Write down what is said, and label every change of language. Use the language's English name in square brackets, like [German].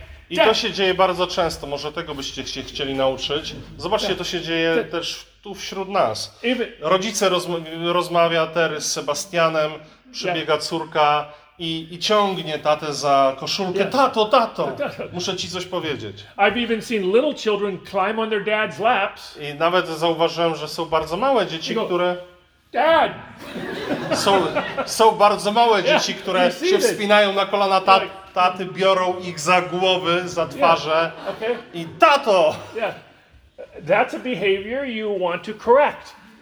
[Polish] I to się dzieje bardzo często. Może tego byście się chcieli nauczyć. Zobaczcie, to się dzieje też tu wśród nas. Rodzice rozmawia Tery z Sebastianem, przybiega córka i ciągnie tatę za koszulkę. Tato, tato, muszę ci coś powiedzieć. [English] I've even seen little children climb on their dad's laps. [Polish] I nawet zauważyłem, że są bardzo małe dzieci, które... [English] Dad! [Polish] Są bardzo małe dzieci, które się wspinają na kolana taty, biorą ich za głowy, za twarze i tato! [English] That's a behavior you want to correct.